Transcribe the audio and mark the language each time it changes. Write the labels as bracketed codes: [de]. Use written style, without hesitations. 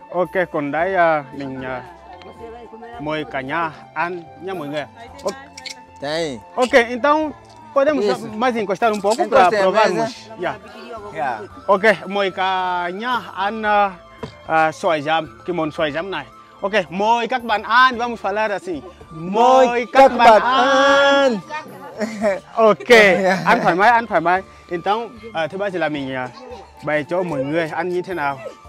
[vi] Ok, còn đây mình mời cả nhà ăn nha mọi người. [pt] Tem. Ok, então podemos mais encostar pouco para provarmos. [en] Yeah. [vi] Ok, mời cả nhà ăn xoài giấm, cái món xoài giấm này. Ok, mời các bạn ăn, [pt] vamos falar assim. [vi] Mời các bạn ăn. Ok, ăn thoải mái. Então, thứ ba là mình bày cho mọi người ăn như thế nào.